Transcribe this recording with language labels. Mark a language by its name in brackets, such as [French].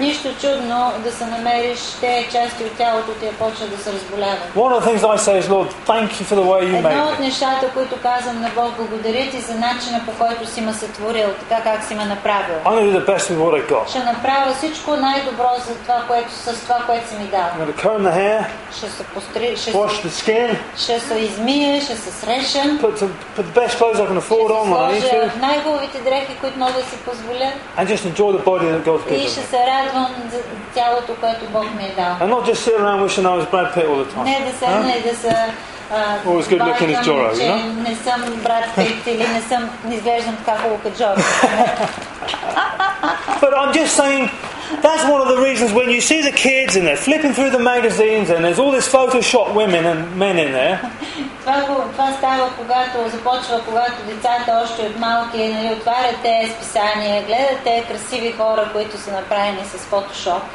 [Bulgarian] Нищо чудно да се намериш те части от тялото ти почва да се разболява. [English] One of the things I say is, Lord, thank you for the way you made me. [Bulgarian] Едно от нещата, които казвам на Бог, благодаря ти за начина, по който си ме сътворил, така как си ме направил. [English] I'm going to do the best with what I got. [Bulgarian] Ще направя всичко най-добро за това, което с това, което си ми дал. [English] I'm going to comb the hair. [Bulgarian] Ще се постри, [English] wash the skin. [Bulgarian] Ще се измия, ще се среша. [English] Put the best clothes I can afford on when I need to. [Bulgarian] Най-хубавите дрехи, които мога да си. [English] And just enjoy the body that God's given me. [Bulgarian] И ще се радвам за тялото, което Бог ми е дал. [English] And not just sit around wishing I was Brad Pitt all the time. [Bulgarian] Не да се не да се. [English] Always good looking as Joro, you know. [Bulgarian] Не съм Брад Пит или не съм изглеждам така хубаво като Джоро. [English] But I'm just saying. That's one of the reasons when you see the kids and they're flipping through the magazines and there's all this Photoshop women and men in there. [Bulgarian] Това става когато започва, когато децата още от малки, нали, отварят те списания, гледат те красиви хора, които са направени с фотошоп.